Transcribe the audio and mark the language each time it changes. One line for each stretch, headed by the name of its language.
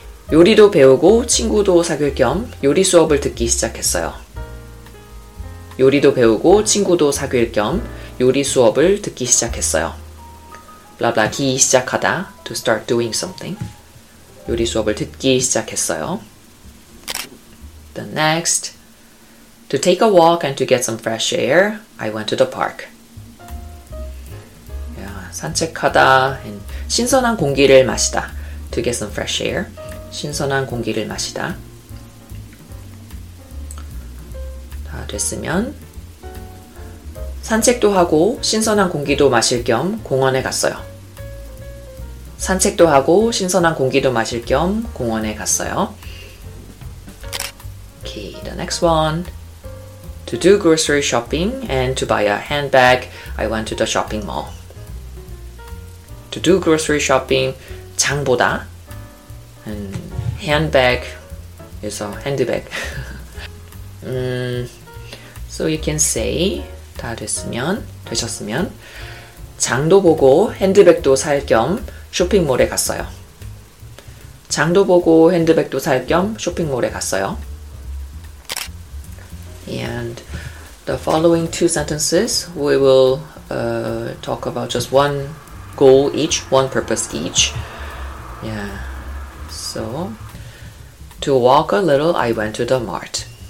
Korean: 요리도 배우고 친구도 사귈 겸 요리 수업을 듣기 시작했어요. 요리도 배우고 친구도 사귈 겸 요리 수업을 듣기 시작했어요. 블라블라기 시작하다,
English: to start doing something.
Korean: 요리 수업을 듣기 시작했어요.
English: The next, to take a walk and to get some fresh air, I went to the park. Yeah,
Korean: 산책하다,
English: and
Korean: 신선한 공기를 마시다,
English: to get some fresh air,
Korean: 신선한 공기를 마시다. 됐으면 산책도 하고 신선한 공기도 마실 겸 공원에 갔어요. 산책도 하고 신선한 공기도 마실 겸 공원에 갔어요.
English: Okay, the next one. To do grocery shopping and to buy a handbag, I went to the shopping mall. to do grocery shopping,
Korean: 장보다.
English: And handbag is a handbag. So you can say,
Korean: 다 됐으면, 되셨으면, 장도 보고 핸드백도 살 겸 쇼핑몰에 갔어요. 장도 보고 핸드백도 살 겸 쇼핑몰에 갔어요.
English: And the following two sentences, we will talk about just one goal each, one purpose each. Yeah. So, to walk a little, I went to the mart.